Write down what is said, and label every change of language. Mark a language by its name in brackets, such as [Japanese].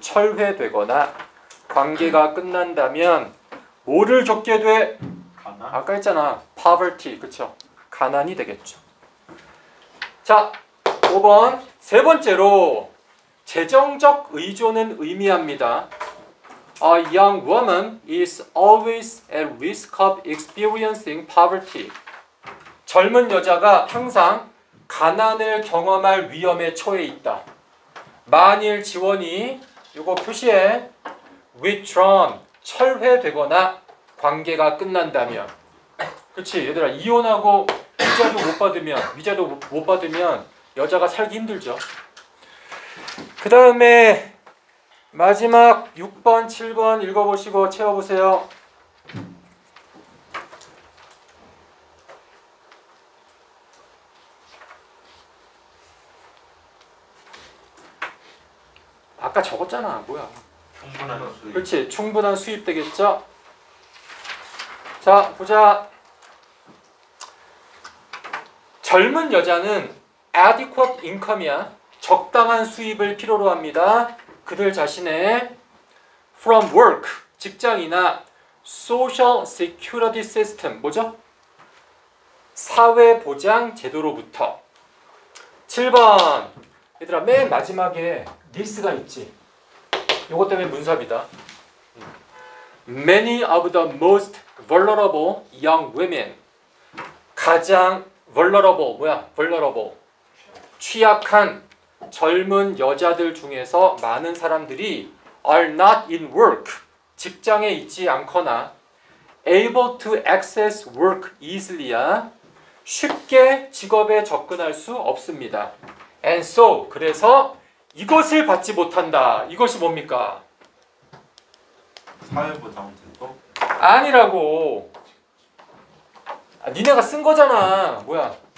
[Korean] 철회되거나 관계가 끝난다면 뭐를 적게 돼? 가난? 아까 했잖아, poverty, 그쵸? 가난이 되겠죠. 자, 5번. 세 번째로 재정적 의존은 의미합니다. [English] A young woman is always at risk of experiencing poverty. [Korean] 젊은 여자가 항상 가난을 경험할 위험에 처해 있다. 만일 지원이, 이거 표시해, withdrawn, 철회되거나 관계가 끝난다면. 그치, 얘들아, 이혼하고 위자도 못 받으면, 위자도 못 받으면 여자가 살기 힘들죠. 그 다음에 마지막 6번, 7번 읽어보시고 채워보세요. 아까 적었잖아. 뭐야? 충분한 수입. 그렇지. 충분한 수입 되겠죠? 자, 보자. 젊은 여자는 adequate income 이야. 적당한 수입을 필요로 합니다. 그들 자신의 from work, 직장이나 social security system, 뭐죠? 사회 보장 제도로부터. 7번. 얘들아, 맨 마지막에 this가 있지. 요것 때문에 문삽이다. [English] Many of the most vulnerable young women. [Korean] 가장 vulnerable, 뭐야? [English] vulnerable. [Korean] 취약한 젊은 여자들 중에서 많은 사람들이 are not in work. 직장에 있지 않거나 able to access work easily 야. 쉽게 직업에 접근할 수 없습니다. And so, 그래서 이것을 받지 못한다. 이것이 뭡니까? 사회보장제도? 아니라고. 아, 니네가 쓴 거잖아. 뭐야?